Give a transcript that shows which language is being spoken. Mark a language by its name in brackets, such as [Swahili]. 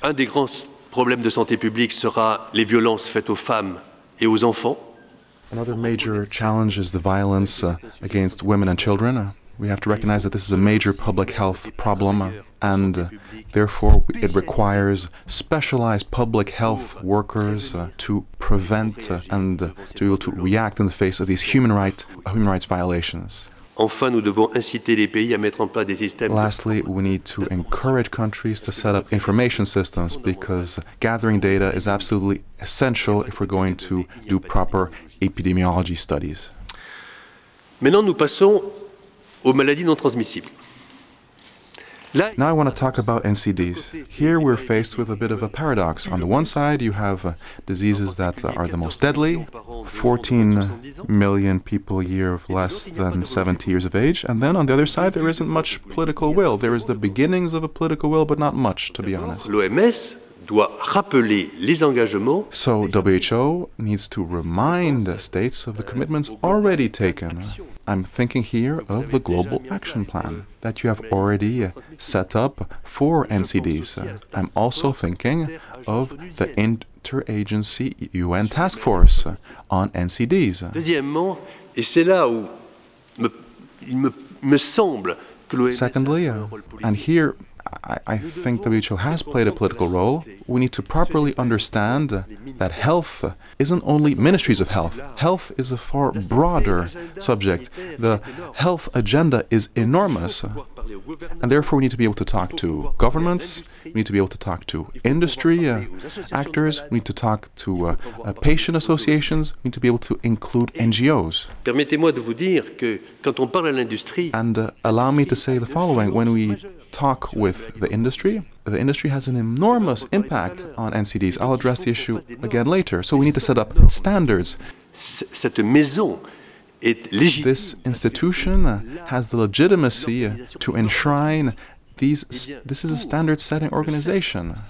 [French] Un des grands problèmes de santé publique sera les violences faites aux femmes et aux enfants. [English] Another major challenge is the violence against women and children. We have to recognize that this is a major public health problem, and therefore it requires specialized public health workers to prevent and to be able to react in the face of these human rights violations. [French] Enfin, nous devons inciter les pays à mettre en place des systèmes. [English] Lastly, we need to encourage countries to set up information systems, because gathering data is absolutely essential if we're going to do proper epidemiology studies. [French] Maintenant, nous passons aux maladies non transmissibles. [English] Now I want to talk about NCDs. Here we're faced with a bit of a paradox. On the one side, you have diseases that are the most deadly, 14 million people a year of less than 70 years of age. And then on the other side, there isn't much political will. There is the beginnings of a political will, but not much, to be honest. [French] L'OMS doit rappeler les engagements. [English] So WHO needs to remind the states of the commitments already taken. I'm thinking here of the Global Action Plan that you have already set up for NCDs. I'm also thinking of the Interagency UN Task Force on NCDs. [French] Deuxièmement, et c'est là où me semble que l'OMS. [English] Secondly, and here I think WHO has played a political role. We need to properly understand that health isn't only ministries of health. Health is a far broader subject. The health agenda is enormous. And therefore, we need to be able to talk to governments. We need to be able to talk to industry actors. We need to talk to patient associations. We need to be able to include NGOs. [French] Permettez-moi de vous dire que quand on parle à l'industrie. [English] And allow me to say the following. When we talk with the industry has an enormous impact on NCDs. I'll address the issue again later. So we need to set up standards. [French] Cette maison. [English] This institution has the legitimacy to enshrine this is a standard-setting organization.